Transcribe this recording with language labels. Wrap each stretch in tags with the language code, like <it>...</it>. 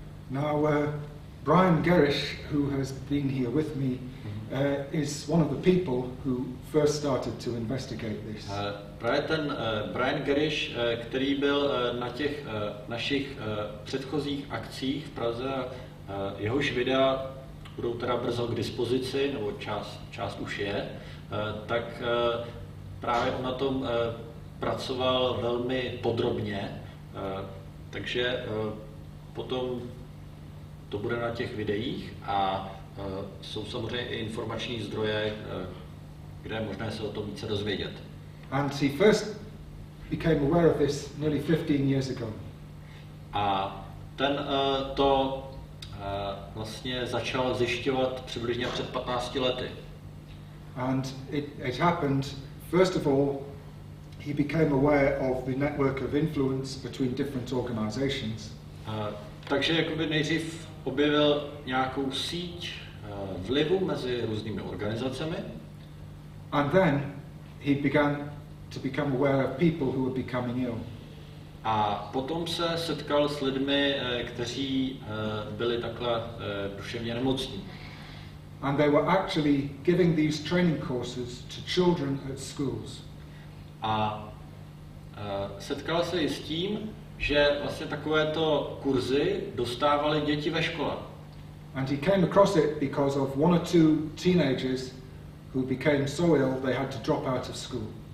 <en>Now, Brian Gerrish, who has been here with me, is one of the people who first started to investigate this.</en> <cs>Právě ten Brian Gerrish, který byl na těch našich předchozích akcích v Praze, jehož videa budou teda brzo k dispozici, nebo část už je, tak právě on na tom pracoval velmi podrobně, takže potom to bude na těch videích a jsou samozřejmě i informační zdroje, kde je možné se o tom více dozvědět.</cs> <en>And he first became aware of this nearly 15 years ago.</en> <cs>A ten to vlastně začal zjišťovat přibližně před 15 lety.</cs> <en>And it happened, first of all, he became aware of the network of influence between different organizations.</en> <cs>Takže jakoby nejdřív objevil nějakou síť vlivu mezi různými organizacemi.</cs> <en>And then he began to become aware of people who were becoming ill.</en> <cs>A potom se setkal s lidmi, kteří byli takhle duševně nemocní.</cs> <en>And they were actually giving these training courses to children at schools.</en> <cs>A setkal se i s tím, že vlastně takovéto kurzy dostávali děti ve škole.</cs> <en>And he came across it because of one or two teenagers who became so ill they had to drop out of school.</en>